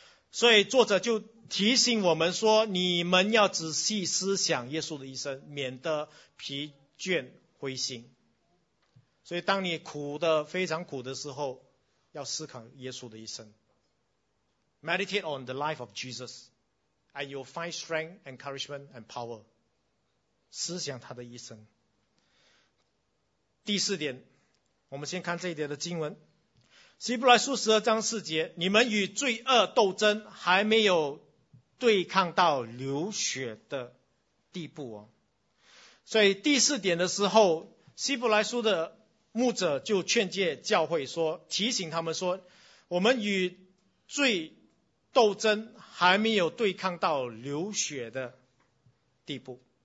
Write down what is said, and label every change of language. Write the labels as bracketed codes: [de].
[zh] 所以作者就提醒我们说，你们要仔细思想耶稣的一生，免得疲倦灰心。所以当你苦的非常苦的时候，要思考耶稣的一生。 [en] Meditate on the life of Jesus and you'll find strength, encouragement and power. [zh] 思想他的一生。第四点，我们先看这一节的经文，希伯来书十二章四节，你们与罪恶斗争还没有对抗到流血的地步哦。所以第四点的时候，希伯来书的牧者就劝诫教会说，提醒他们说，我们与罪斗争还没有对抗到流血的地步。